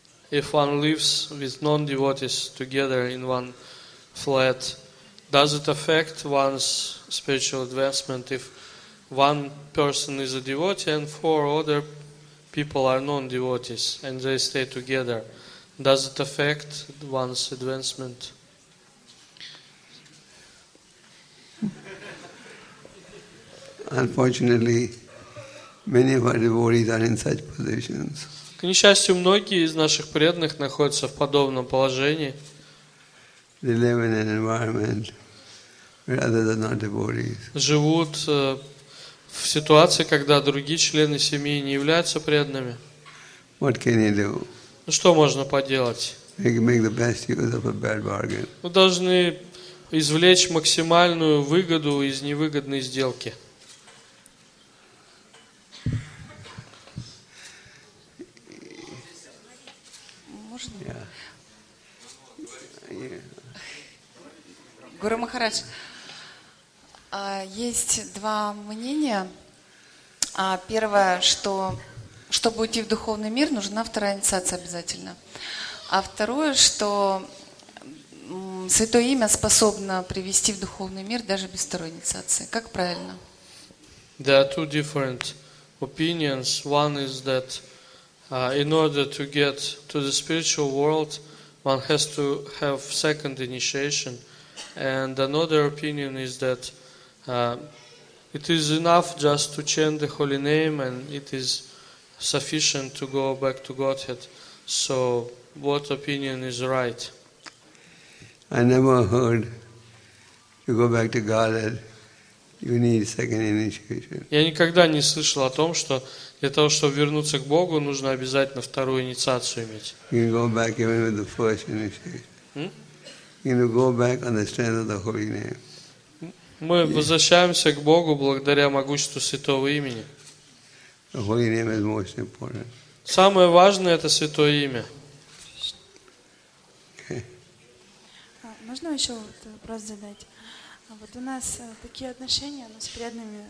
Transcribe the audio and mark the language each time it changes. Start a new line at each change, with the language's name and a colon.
English: If one lives with non-devotees together in one flat, does it affect one's spiritual advancement if one person is a devotee and four other people are non-devotees and they stay together? Does it affect one's advancement? Unfortunately, many of our devotees are in such positions.
Russian: К несчастью, многие из наших преданных находятся в подобном положении.
English: They live in an environment where others are not devotees.
Russian: Живут в ситуации, когда другие члены семьи не являются преданными.
English: What can you do?
Russian: Ну что можно поделать?
English: Make the best use of a bad bargain.
Russian: Мы должны извлечь максимальную выгоду из невыгодной сделки. Гуру Махарадж, есть два мнения. Первое, что чтобы уйти в духовный мир, нужна вторая инициация обязательно. А второе, что Святое Имя способно привести в духовный мир даже без второй инициации. Как правильно?
English: There are two different opinions. One is that in order to get to the spiritual world, one has to have second initiation. And another opinion is that it is enough just to chant the holy name and it is sufficient to go back to Godhead. So what opinion is right? I never heard to go back to Godhead you need second initiation.
Russian: Я никогда не слышал о том, что для того, чтобы вернуться к Богу, нужно обязательно вторую инициацию иметь.
English: You can go back even with the first initiation. You know, go back on the strength of the holy name.
Russian: Мы возвращаемся к Богу благодаря могуществу Святого Имени.
English: The holy name is most important.
Russian: Самое важное – это Святое Имя. Можно еще вопрос задать? Вот у нас такие отношения, но с преданными.